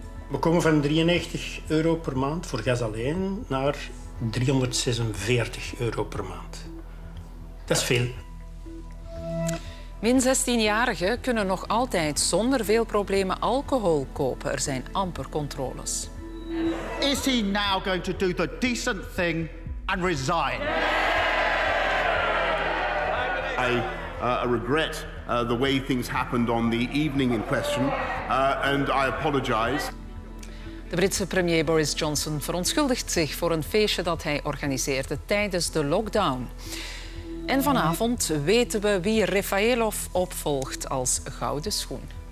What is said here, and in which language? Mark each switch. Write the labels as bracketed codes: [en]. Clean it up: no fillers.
[nl] We komen van €93 per maand voor gas alleen naar €346 per maand. Dat is veel. Min 16-jarigen kunnen nog altijd zonder veel problemen alcohol kopen. Er zijn amper controles. [en] Is he now going to do the decent thing and resign? I regret the way things happened on the evening in question and I apologize. [nl] De Britse premier Boris Johnson verontschuldigt zich voor een feestje dat hij organiseerde tijdens de lockdown. En vanavond weten we wie Rafailov opvolgt als gouden schoen.